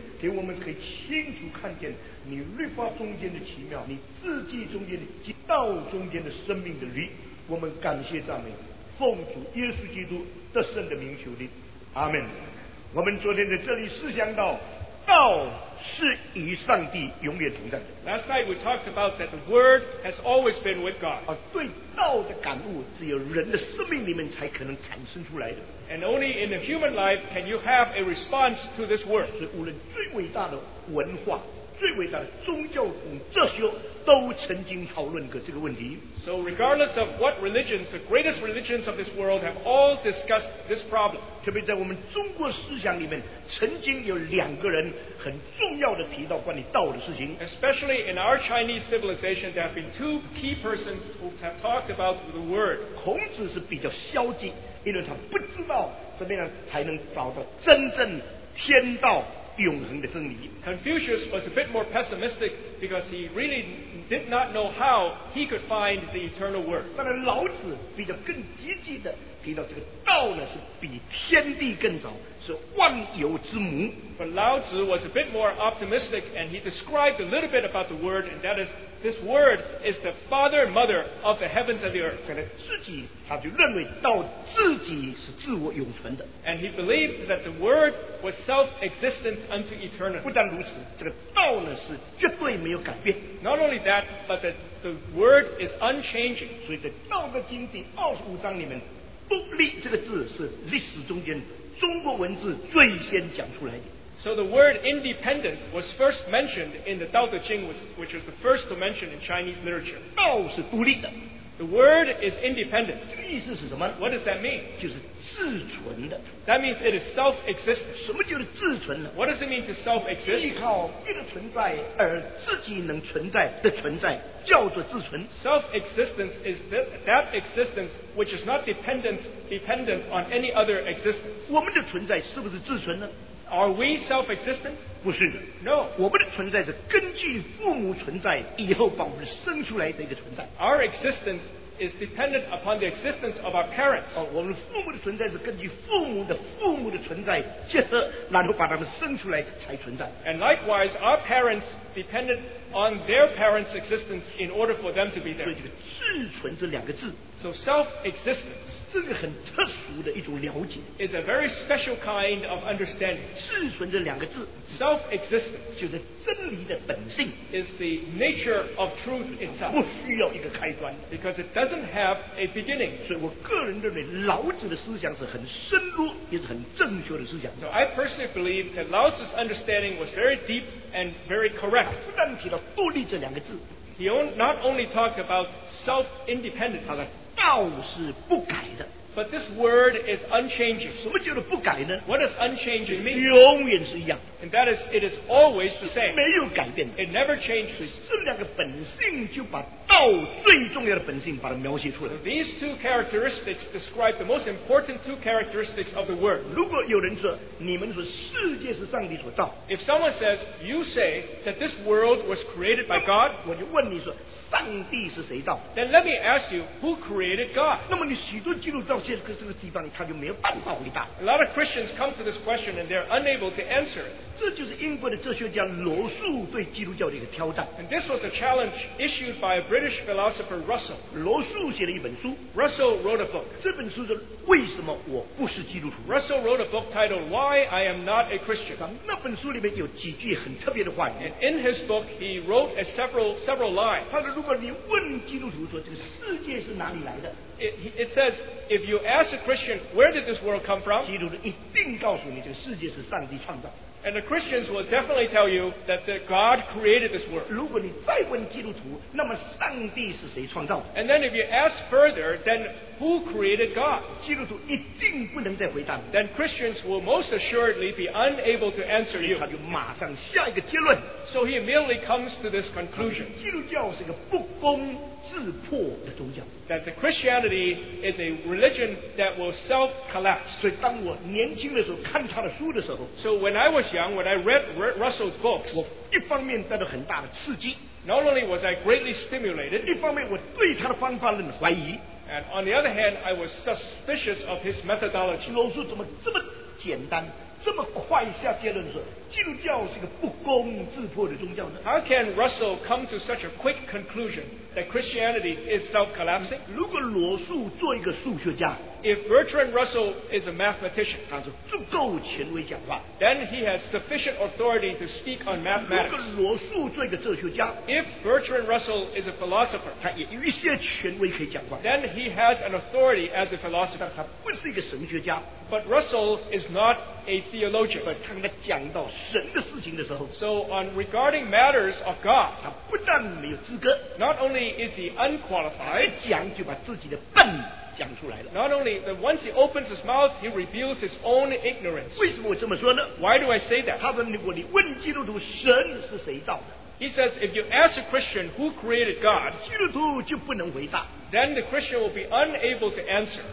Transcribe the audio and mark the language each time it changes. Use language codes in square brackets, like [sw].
[zh] 给我们可以清楚看见你律法中间的奇妙你字迹中间的道中间的生命的理我们感谢赞美奉主耶稣基督得胜的名求你阿们我们昨天在这里思想到道是与上帝永远同在的 [en] Last night we talked about that the word has always been with God [zh] 而对道的感悟只有人的生命里面才可能产生出来的 [en] And only in the human life can you have a response to this word [zh] 所以无论最伟大的文化最伟大的宗教和哲学都曾经讨论过这个问题 [en] So regardless of what religions the greatest religions of this world have all discussed this problem [zh] 特别在我们中国思想里面曾经有两个人很重要的提到关于道的事情 [en] Especially in our Chinese civilization there have been two key persons who have talked about the word [zh] 孔子是比较消极因为他不知道怎么样才能找到真正天道永恒的真理 [en] Confucius was a bit more pessimistic because he really did not know how he could find the eternal word. [zh] 当然老子比较更积极的提到这个道呢是比天地更早是万有之母 [en] But Lao Tzu was a bit more optimistic and he described a little bit about the word and that is this word is the father and mother of the heavens and the earth. [zh] 可能自己他就认为道自己是自我永存的 [en] And he believed that the word was self-existent unto eternity. [zh] 不但如此这个道呢是绝对没有改变 [en] Not only that but that the word is unchanging. [zh] 所以在道德经第二十五章里面独立这个字是历史中间中国文字最先讲出来的 [en] So the word independence was first mentioned in the Tao Te Ching which was the first to mention in Chinese literature [zh] 道是独立的 [en] The word is independent [zh] 这个意思是什么 [en] What does that mean? [zh] 就是自存的 [en] That means it is self-existent [zh] 什么叫做自存呢 [en] What does it mean to self-exist? [zh] 依靠别的存在而自己能存在的存在叫做自存 [en] Self-existence is that existence which is not dependent on any other existence [zh] 我们的存在是不是自存呢 [en] Are we self-existent? [zh] 不是的。 [en] No. [zh] 我们的存在是根据父母存在以后把我们生出来的一个存在。 [en] Our existence is dependent upon the existence of our parents. [zh] 我们父母的存在是根据父母的父母的存在结合然后把他们生出来才存在。 [en] And likewise, our parents dependent on their parents' existence in order for them to be there. [zh] 所以这个自存这两个字。 [en] So self-existence. [zh] 这个很特殊的一种了解。 [en] It's a very special kind of understanding. [zh] 自存这两个字。 [en] Self-existence. [zh] 就是真理的本性。 [en] Is the nature of truth itself. [zh] 不需要一个开端。 [en] Because it doesn't have a beginning. [zh] 所以我个人认为老子的思想是很深入也是很正确的思想。 [en] So I personally believe that Lao Tzu's understanding was very deep and very correct. [zh] 不但提到独立这两个字。 [en] He not only talked about self-independence, [zh] 道是不改的。 [en] But this word is unchanging. [zh] 什么叫做不改呢? [en] What does unchanging mean? [zh] 永远是一样。 [en] And that is, it is always the same. [zh] 没有改变的。 [en] It never changes. [zh] 所以这两个本性就把道最重要的本性把它描写出来。 [en] So these two characteristics describe the most important two characteristics of the word. [zh] 如果有人说，你们说世界是上帝所造。 [en] If someone says, you say that this world was created by God, [zh] 我就问你说，上帝是谁造? [en] Then let me ask you, who created God? [zh] 那么你许多基督教这个地方他就没有办法回答。 [en] A lot of Christians come to this question and they're unable to answer it. [zh] 这就是英国的哲学家罗素对基督教的一个挑战。 [en] And this was a challenge issued by a British philosopher Russell. [zh] 罗素写了一本书。 [en] Russell wrote a book. [zh] 这本书是为什么我不是基督徒。 [en] Russell wrote a book titled Why I Am Not a Christian. [zh] 那本书里面有几句很特别的话语。 [en] And in his book, he wrote a several lines. [zh] 他说如果你问基督徒说这个世界是哪里来的。 [en] It says, if you ask a Christian, where did this world come from? [zh] 基督徒一定告诉你这个世界是上帝创造。 [en] And the Christians will definitely tell you that God created this world. [zh] 如果你再问基督徒，那么上帝是谁创造的？ [en] And then if you ask further, then who created God? [zh] 基督徒一定不能再回答你。 [en] Then Christians will most assuredly be unable to answer you. [zh] 他就马上下一个结论。 [en] So he immediately comes to this conclusion. [zh] 基督教是一个不攻自破的宗教。 [en] That the Christianity is a religion that will self-collapse. [zh] 所以当我年轻的时候看他的书的时候 [en] ，So when I was young, when I read Russell's books, [zh] 我一方面得到很大的刺激 [en] ，Not only was I greatly stimulated, [zh] 一方面我对他的方法论怀疑 [en] ，And on the other hand, I was suspicious of his methodology. [zh] 罗素怎么这么简单？这么快下结论说基督教是一个不攻自破的宗教呢 [en] ？How can Russell come to such a quick conclusion that Christianity is self-collapsing？ [zh] 如果罗素做一个数学家 [en] ，If Bertrand Russell is a mathematician， [zh] 他是足够权威讲话 [en] ，Then he has sufficient authority to speak on mathematics。 [zh] 如果罗素做一个哲学家 [en] ，If Bertrand Russell is a philosopher， [zh] 他也有一些权威可以讲话 [en] ，Then he has an authority as a philosopher。 [zh] 他不是一个神学家。 [en] But Russell is not a theologian. [zh] 所以当他讲到神的事情的时候 [en] ，So on regarding matters of God, [zh] 他不但没有资格 [en] ，Not only is he unqualified, [zh] 他一讲就把自己的笨讲出来了 [en] ，Not only that once he opens his mouth, he reveals his own ignorance. [zh] 为什么我这么说呢 [en] ？Why do I say that? [zh] 他说如果你问基督徒神是谁造的 [en] ，He says if you ask a Christian who created God, [zh] 基督徒就不能回答。 [en] Then the Christian will be unable to answer.